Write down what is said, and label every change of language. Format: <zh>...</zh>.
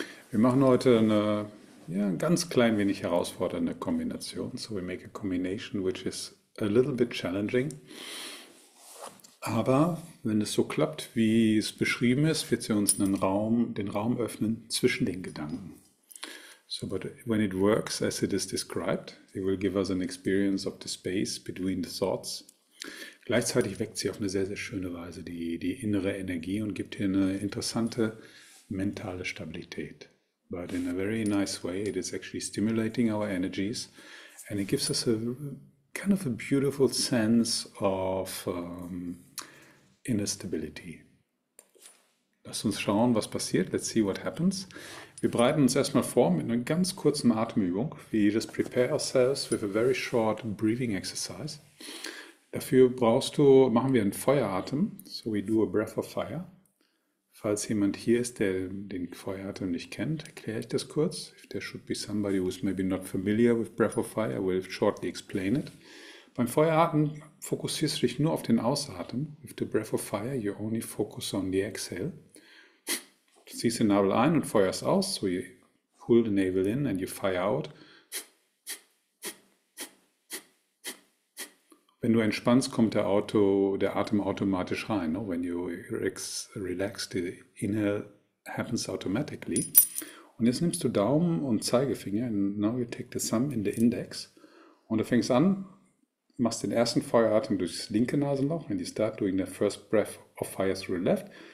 <de>Wir machen heute eine ganz klein wenig herausfordernde Kombination.</de> <en>So we make a combination which is a little bit challenging.</en> <de>Aber wenn es so klappt, wie es beschrieben ist, wird sie uns einen Raum, den Raum öffnen zwischen den Gedanken.</de> <en>So, but when it works as it is described, it will give us an experience of the space between the thoughts.</en> <de>Gleichzeitig weckt sie auf eine sehr, sehr schöne Weise die innere Energie und gibt hier eine interessante mentale Stabilität.</de> <en>But in a very nice way, it is actually stimulating our energies and it gives us a kind of a beautiful sense of inner stability.</en> <de>Lass uns schauen, was passiert.</de> <en>Let's see what happens.</en> <de>Wir bereiten uns erstmal vor mit einer ganz kurzen Atemübung.</de> <en>We just prepare ourselves with a very short breathing exercise.</en> <de>Dafür machen wir einen Feueratem.</de> <en>So we do a breath of fire.</en> <de>Falls jemand hier ist, der den Feueratem nicht kennt, erkläre ich das kurz.</de> <en>If there should be somebody who is maybe not familiar with breath of fire, we'll shortly explain it.</en> <de>Beim Feueratem fokussierst du dich nur auf den Ausatem.</de> <en>With the breath of fire, you only focus on the exhale.</en> <de>Du ziehst den Nabel ein und feuerst aus.</de> <en>So you pull the navel in and you fire out.</en> <de>Wenn du entspannst, kommt der Atem automatisch rein.</de> <en>No? When you relax, the inhale happens automatically.</en> <de>Und jetzt nimmst du Daumen und Zeigefinger.</de> <en>And now you take the thumb in the index.</en> <de>Und du fängst an, machst den ersten Feueratem durch das linke Nasenloch.</de> <en>And you start doing the first breath of fire through the left.</en>